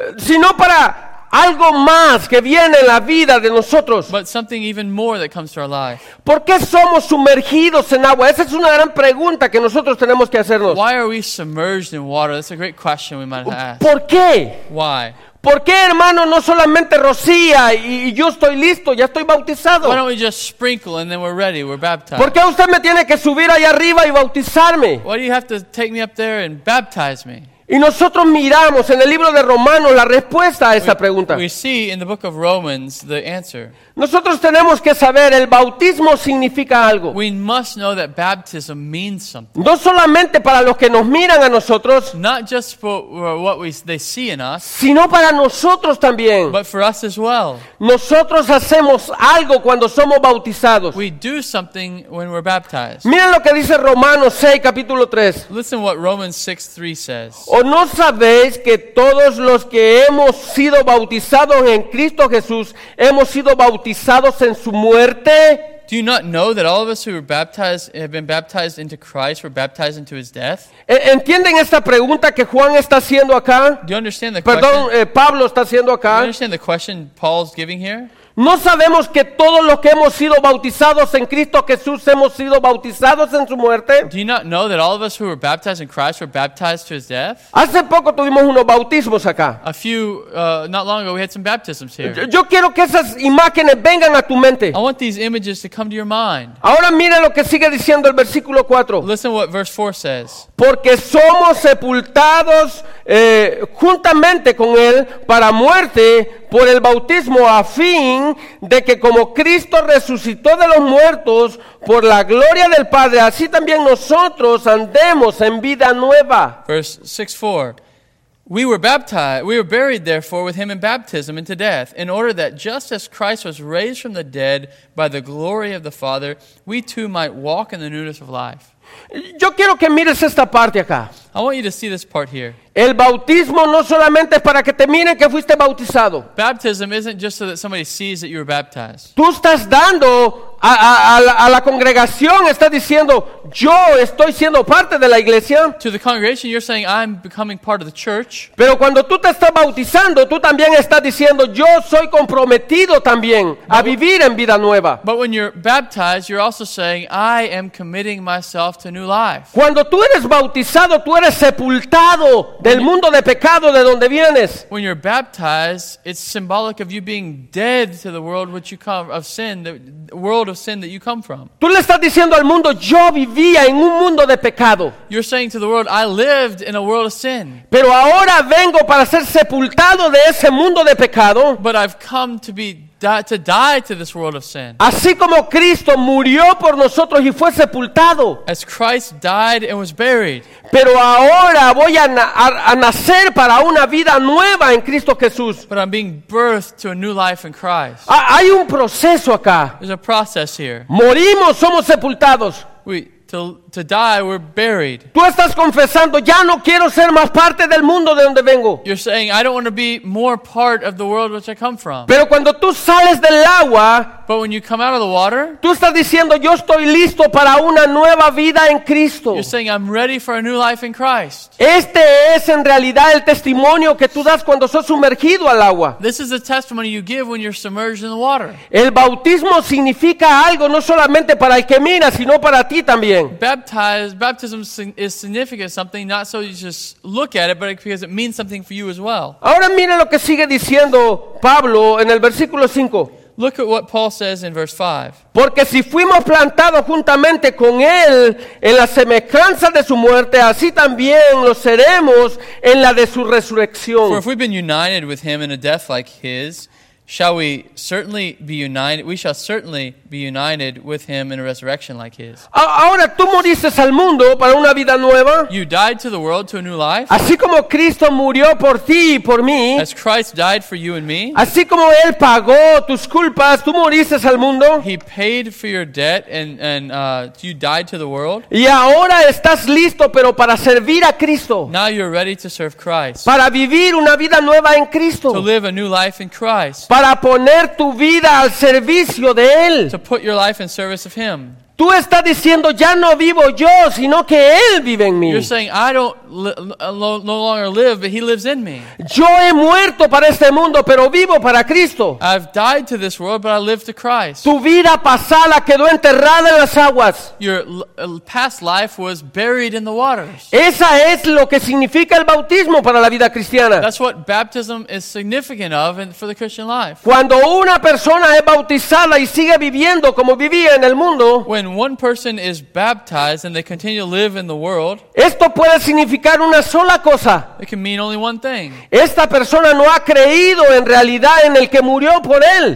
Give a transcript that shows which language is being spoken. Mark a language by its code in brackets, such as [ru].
[es] Sino para algo más que viene en la vida de nosotros. [en] But something even more that comes to our life. [es] ¿Por qué somos sumergidos en agua? Esa es una gran pregunta que nosotros tenemos que hacernos. [en] Why are we submerged in water? That's a great question we might ask. [es] ¿Por qué? [en] Why? [es] ¿Por qué, hermano, no solamente rocía y yo estoy listo, ya estoy bautizado? [en] Why don't we just sprinkle and then we're ready, we're baptized? [es] ¿Por qué usted me tiene que subir allá arriba y bautizarme? [en] Why do you have to take me up there and baptize me? [es] Y nosotros miramos en el libro de Romanos la respuesta a esta pregunta. [en] We see in the book of Romans the answer. [es] Nosotros tenemos que saber, el bautismo significa algo. [en] We must know that baptism means something. [es] No solamente para los que nos miran a nosotros, [en] not just for what they see in us, [es] sino para nosotros también. [en] But for us as well. [es] Nosotros hacemos algo cuando somos bautizados. [en] We do something when we're baptized. [es] Miren lo que dice Romanos 6, capítulo 3. [en] Listen what Romans 6:3 says. [es] ¿O no sabéis que todos los que hemos sido bautizados en Cristo Jesús hemos sido bautizados en su muerte? [en] Do you not know that all of us who were baptized have been baptized into Christ were baptized into his death? [es] ¿Entienden esta pregunta que Juan está haciendo acá? [en] Do you understand the [es] Perdón, [en] question? [es] Pablo está haciendo acá. [en] Do you understand the question Paul's giving here? [es] ¿No sabemos que todos los que hemos sido bautizados en Cristo Jesús hemos sido bautizados en su muerte? [en] Do you not know that all of us who were baptized in Christ were baptized to his death? [es] Hace poco tuvimos unos bautismos acá. [en] A few, not long ago we had some baptisms here. [es] Yo quiero que esas imágenes vengan a tu mente. [en] I want these images to come to your mind. [es] Ahora mira lo que sigue diciendo el versículo 4. [en] Listen what verse 4 says. [es] Porque somos sepultados juntamente con él para muerte por el bautismo, a fin de que como Cristo resucitó de los muertos por la gloria del Padre, así también nosotros andemos en vida nueva. [en] Verse 6:4. We were baptized, we were buried therefore with him in baptism into death, in order that just as Christ was raised from the dead by the glory of the Father, we too might walk in the newness of life. [es] Yo quiero que mires esta parte acá. [en] I want you to see this part here. [es] El bautismo no solamente es para que te miren que fuiste bautizado. [en] Baptism isn't just so that somebody sees that you were baptized. [es] Tú estás dando a la congregación, estás diciendo, yo estoy siendo parte de la iglesia. [en] To the congregation, you're saying, I'm becoming part of the church. [es] Pero cuando tú te estás bautizando, tú también estás diciendo, yo soy comprometido también a vivir en vida nueva. [en] But when you're baptized, you're also saying, I am committing myself to new life. [es] Cuando tú eres bautizado, tú eres sepultado del mundo de pecado de donde vienes. [en] When you're baptized, it's symbolic of you being dead to the world which you come of sin, the world of sin that you come from. [es] Tú le estás diciendo al mundo, yo vivía en un mundo de pecado. [en] You're saying to the world, I lived in a world of sin. [es] Pero ahora vengo para ser sepultado de ese mundo de pecado. [en] But I've come to be to die to this world of sin. [es] Así como Cristo murió por nosotros y fue sepultado. [en] As Christ died and was buried. [es] Pero ahora voy a nacer para una vida nueva en Cristo Jesús. [en] But I'm being birthed to a new life in Christ. [es] Hay un proceso acá. [en] There's a process here. [es] Morimos, somos sepultados. [en] To die, we're buried. [es] Tú estás confesando, ya no quiero ser más parte del mundo de donde vengo. [en] You're saying, I don't want to be more part of the world which I come from. [es] Pero cuando tú sales del agua, [en] But when you come out of the water, [es] tú estás diciendo, yo estoy listo para una nueva vida en Cristo. [en] You're saying, I'm ready for a new life in Christ. [es] Este es en realidad el testimonio que tú das cuando sos sumergido al agua. [en] This is the testimony you give when you're submerged in the water. [es] El bautismo significa algo no solamente para el que mira, sino para ti también. [en] Baptism is significant something not so you just look at it, but because it means something for you as well. [es] Ahora mire lo que sigue diciendo Pablo en el versículo 5. [en] Look at what Paul says in verse 5. [es] Porque si fuimos plantados juntamente con él en la semejanza de su muerte, así también lo seremos en la de su resurrección. [en] For if we've been united with him in a death like his, We shall certainly be united with him in a resurrection like his. [es] Ahora tú moriste al mundo para una vida nueva. [en] You died to the world to a new life. [es] Así como Cristo murió por ti y por mí. [en] As Christ died for you and me. [es] Así como él pagó tus culpas, tú moriste al mundo. [en] He paid for your debt and you died to the world. [es] Y ahora estás listo, pero para servir a Cristo. [en] Now you're ready to serve Christ. [es] Para vivir una vida nueva en Cristo. [en] To live a new life in Christ. [es] Para poner tu vida al servicio de Él. [en] To put your life in service of Him. [es] Tú estás diciendo, ya no vivo yo, sino que Él vive en mí. [en] You're saying, I don't no longer live, but He lives in me. [es] Yo he muerto para este mundo, pero vivo para Cristo. [en] I've died to this world, but I live to Christ. [es] Tu vida pasada quedó enterrada en las aguas. [en] Your past life was buried in the waters. [es] Esa es lo que significa el bautismo para la vida cristiana. [en] That's what baptism is significant of for the Christian life. [es] Cuando una persona es bautizada y sigue viviendo como vivía en el mundo, [en] when one person is baptized and they continue to live in the world, [es] esto puede significar una sola cosa. [en] It can mean only one thing. [es] Esta persona no ha creído en realidad en el que murió por él.